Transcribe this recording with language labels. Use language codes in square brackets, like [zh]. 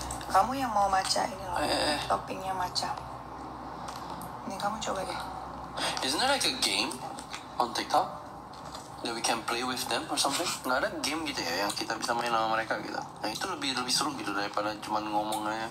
[id] Kamu yang mau matcha ini loh, toppingnya matcha. Ini kamu coba deh. [en] Isn't there like a game on TikTok that we can play with them or something? [id] Nggak ada game gitu ya yang kita bisa main sama mereka gitu. Nah itu lebih seru gitu daripada cuma ngomong aja.